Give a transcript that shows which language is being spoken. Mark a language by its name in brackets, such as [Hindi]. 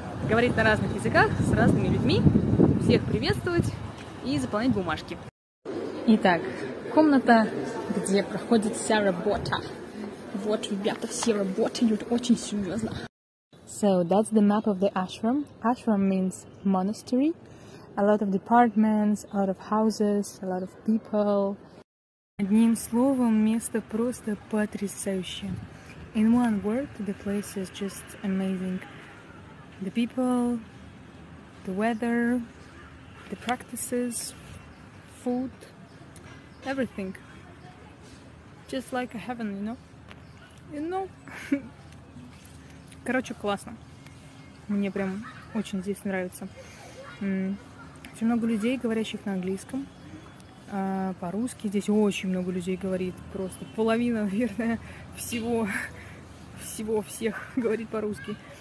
[Russian] Говорить на разных языках с разными людьми, всех приветствовать и заполнять бумажки. Итак, комната, где проходит вся работа. Вот, ребята, все работают очень серьезно. [English] So, that's the map of the ashram. Ashram means monastery. A lot of departments, a lot of houses, a lot of people. [Russian] Одним словом, место просто потрясающее. [English] In one word, the place is just amazing. The people, the weather, the practices, food, everything. Just like a heaven, you know? You know? [Russian] Короче, классно. Мне прям очень здесь нравится. Очень много людей, говорящих на английском. По-русски здесь очень много людей говорит. Просто половина, наверное, всего всех говорит по-русски.